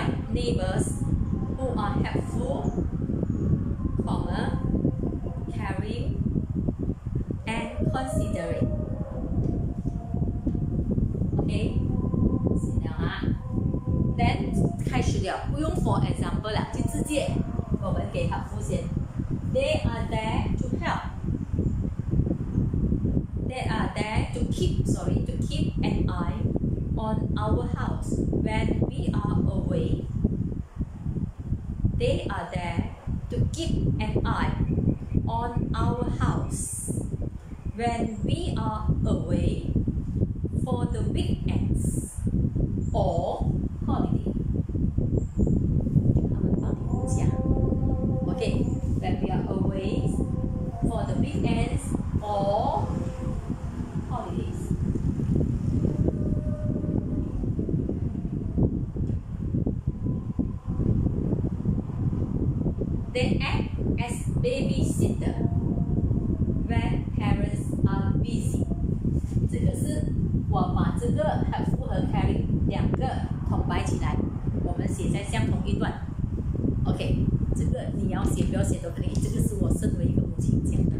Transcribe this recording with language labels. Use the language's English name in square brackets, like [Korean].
[English] Neighbors who are helpful, comma, caring, and considerate. Okay, [Chinese] 写了啊。 [English] Then [Chinese] 开始了，不用 [English] for example [Chinese] 了，就直接我们给 helpful 先。 [English] They are there to help. They are there to keep, to keep an eye on our house when we are away. They are there to keep an eye on our house when we are away for the weekends or holiday. [Chinese] 他们帮你顾家。 [English] Okay, when we are away for the weekends or holidays. They act as babysitter when parents are busy. [Chinese] 这个是我把这个 helpful 和 caring 两个统摆起来，我们写在相同一段。 OK， 这个你要写不要写都可以。这个是我身为一个母亲讲的。